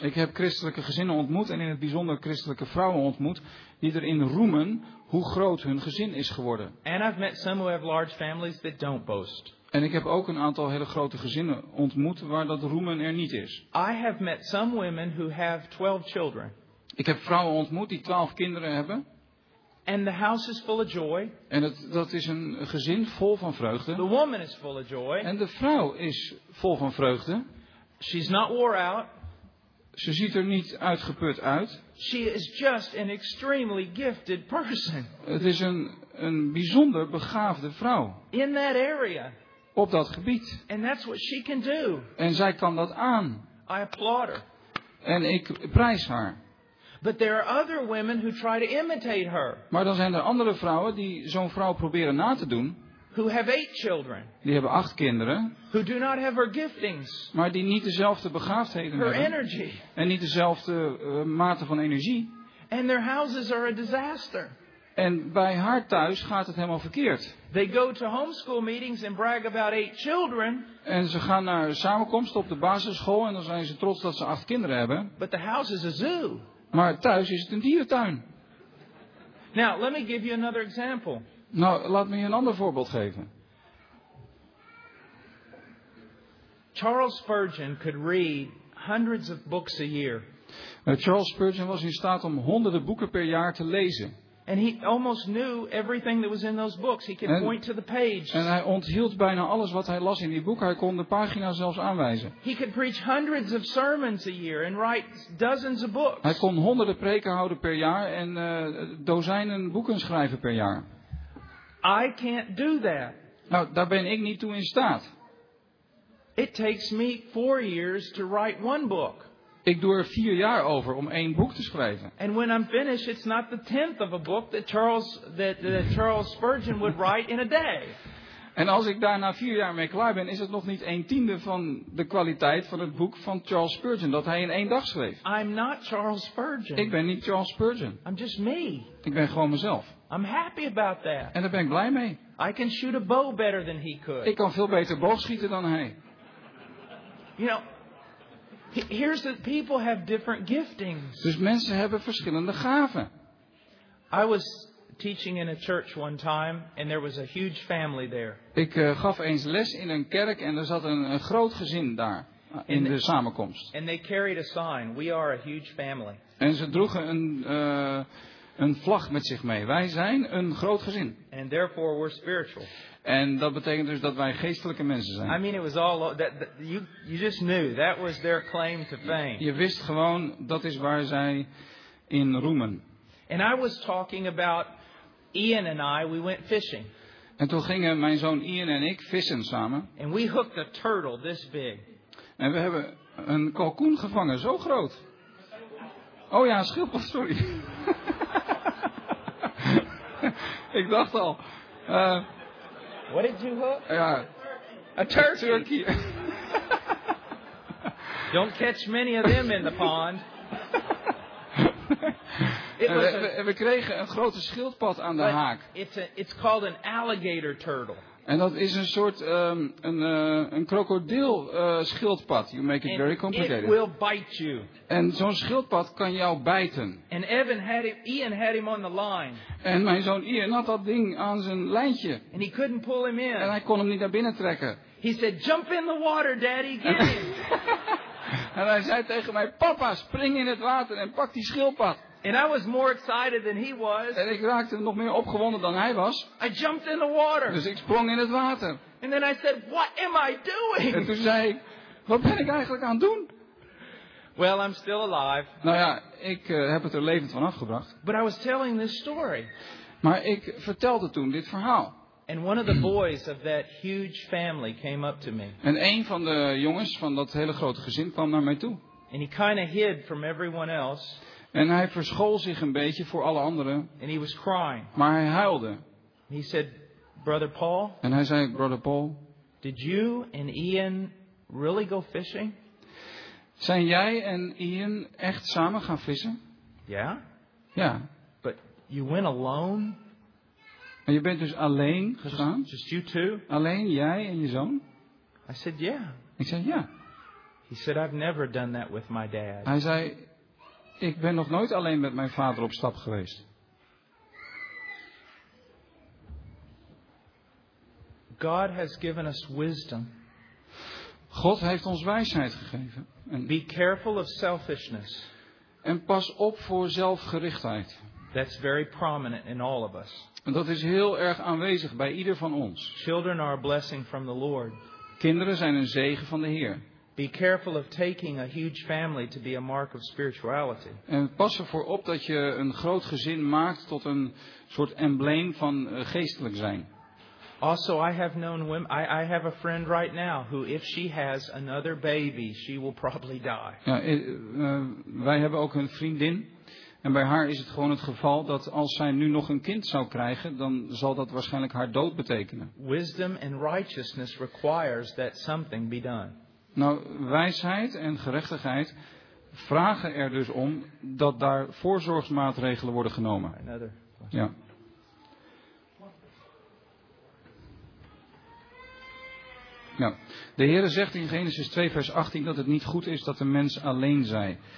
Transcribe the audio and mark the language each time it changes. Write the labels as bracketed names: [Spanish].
[Dutch] Ik heb christelijke gezinnen ontmoet en in het bijzonder christelijke vrouwen ontmoet die erin roemen hoe groot hun gezin is geworden. [English] And I've met some who have large families that don't boast. [Dutch] En ik heb ook een aantal hele grote gezinnen ontmoet waar dat roemen er niet is. [English] I have met some women who have 12 children. [Dutch] Ik heb vrouwen ontmoet die 12 kinderen hebben. [English] And the house is full of joy. [Dutch] En dat is een gezin vol van vreugde. [English] The woman is full of joy. [Dutch] En de vrouw is vol van vreugde. [English] She's not wore out. [Dutch] Ze ziet er niet uitgeput uit. [English] She is just an extremely gifted person. [Dutch] Het is een bijzonder begaafde vrouw. [English] In that area. [Dutch] Op dat gebied. [English] And that's what she can do. [Dutch] En zij kan dat aan. [English] I applaud her. [Dutch] En ik prijs haar. [English] But there are other women who try to imitate her. [Dutch] Maar dan zijn er andere vrouwen die zo'n vrouw proberen na te doen. [English] Who have 8 children. [Dutch] Die hebben 8 kinderen. [English] Who do not have her giftings. [Dutch] Maar die niet dezelfde begaafdheden [English] her [Dutch] hebben. [English] Energy. [Dutch] En niet dezelfde mate van energie. [English] And their houses are a disaster. [Dutch] En bij haar thuis gaat het helemaal verkeerd. [English] They go to homeschool meetings and brag about 8 children. [Dutch] En ze gaan naar samenkomsten op de basisschool en dan zijn ze trots dat ze 8 kinderen hebben. [English] But the house is a zoo. [Dutch] Maar thuis is het een dierentuin. [English] Now, let me give you another example. [Dutch] Nou, laat me je een ander voorbeeld geven. [English] Charles Spurgeon could read hundreds of books a year. [Dutch] Charles Spurgeon was in staat om honderden boeken per jaar te lezen. [English] And he almost knew everything that was in those books. He could point to the page. [Dutch] En hij onthield bijna alles wat hij las in die boek. Hij kon de pagina zelfs aanwijzen. [English] He could preach hundreds of sermons a year and write dozens of books. [Dutch] Hij kon honderden preken houden per jaar en dozijnen boeken schrijven per jaar. [English] I can't do that. [Dutch] Nou, daar ben ik niet toe in staat. [English] It takes me 4 years to write one book. [Dutch] Ik doe er 4 jaar over om 1 boek te schrijven. [English] And when I'm finished, it's not the tenth of a book that Charles Spurgeon would write in a day. [Dutch] En als ik daar na 4 jaar mee klaar ben, is het nog niet 1/10 van de kwaliteit van het boek van Charles Spurgeon dat hij in 1 dag schreef. [English] I'm not Charles Spurgeon. [Dutch] Ik ben niet Charles Spurgeon. [English] I'm just me. [Dutch] Ik ben gewoon mezelf. [English] I'm happy about that. [Dutch] En daar ben ik blij mee. [English] I can shoot a bow better than he could. [Dutch] Ik kan veel beter boog schieten dan hij. [English] You know. Here's that people have different giftings. [Dutch] Dus mensen hebben verschillende gaven. [English] I was teaching in a church one time and there was a huge family there. [Dutch] Ik gaf eens les in een kerk en er zat een groot gezin daar in de samenkomst. [English] And they carried a sign, we are a huge family. [Dutch] En ze droegen een vlag met zich mee. Wij zijn een groot gezin. [English] And therefore we're spiritual. [Dutch] En dat betekent dus dat wij geestelijke mensen zijn. [English] I mean it was all that you just knew that was their claim to fame. [Dutch] Je wist gewoon dat is waar zij in roemen. [English] And I was talking about Ian and I, we went fishing. [Dutch] En toen gingen mijn zoon Ian en ik vissen samen. [English] And we hooked a turtle this big. [Dutch] En we hebben een kalkoen gevangen zo groot. Oh ja, schildpad, sorry. Ik dacht al. [English] What did you hook? [Dutch] Ja. [English] A turkey. A turkey. Don't catch many of them in the pond. [Dutch] we kregen een grote schildpad aan de haak. [English] It's called an alligator turtle. [Dutch] En dat is een soort een krokodil schildpad. [English] You make it and very complicated. It will bite you. [Dutch] En zo'n schildpad kan jou bijten. [English] And Evan had him, Ian had him on the line. [Dutch] En mijn zoon Ian had dat ding aan zijn lijntje. [English] And he couldn't pull him in. [Dutch] En hij kon hem niet naar binnen trekken. [English] He said, "Jump in the water, Daddy, get him." [Dutch] En hij zei tegen mij, papa, spring in het water en pak die schildpad. [English] And I was more excited than he was. [Dutch] En ik raakte nog meer opgewonden dan hij was. [English] I jumped in the water. [Dutch] Dus ik sprong in het water. [English] And then I said, "What am I doing?" [Dutch] En toen zei ik, wat ben ik eigenlijk aan het doen? [English] Well, I'm still alive. [Dutch] Nou ja, ik heb het er levend van afgebracht. [English] But I was telling this story. [Dutch] Maar ik vertelde toen dit verhaal. [English] And one of the boys of that huge family came up to me. [Dutch] En een van de jongens van dat hele grote gezin kwam naar mij toe. [English] And he kind of hid from everyone else. [Dutch] En hij verschool zich een beetje voor alle anderen. [English] And he was crying. [Dutch] Maar hij huilde. [English] He said, "Brother Paul." [Dutch] En hij zei, "Brother Paul." [English] Did you and Ian really go fishing? [Dutch] Zijn jij en Ian echt samen gaan vissen? Ja. [English] Yeah. [Dutch] Ja. [English] But you went alone. [Dutch] En je bent dus alleen gegaan? [English] Just you two? [Dutch] Alleen jij en je zoon? [English] I said yeah. [Dutch] Ik zei ja. [English] He said I've never done that with my dad. [Dutch] Hij zei, ik ben nog nooit alleen met mijn vader op stap geweest. [English] God has given us wisdom. [Dutch] God heeft ons wijsheid gegeven. [English] En be careful of selfishness. [Dutch] En pas op voor zelfgerichtheid. [English] That's very prominent in all of us. [Dutch] En dat is heel erg aanwezig bij ieder van ons. [English] Children are a blessing from the Lord. [Dutch] Kinderen zijn een zegen van de Heer. [English] Be careful of taking a huge family to be a mark of spirituality. [Dutch] En pas ervoor op dat je een groot gezin maakt tot een soort embleem van geestelijk zijn. [English] Also, I have known women. I have a friend right now who, if she has another baby, she will probably die. [Dutch] Ja, wij hebben ook een vriendin. En bij haar is het gewoon het geval dat als zij nu nog een kind zou krijgen, dan zal dat waarschijnlijk haar dood betekenen. [English] Wisdom and righteousness requires that something be done. [Dutch] Nou, wijsheid en gerechtigheid vragen er dus om dat daar voorzorgsmaatregelen worden genomen. [English] Another. [Dutch] Ja. Ja. De Heere zegt in Genesis 2 vers 18 dat het niet goed is dat de mens alleen zij.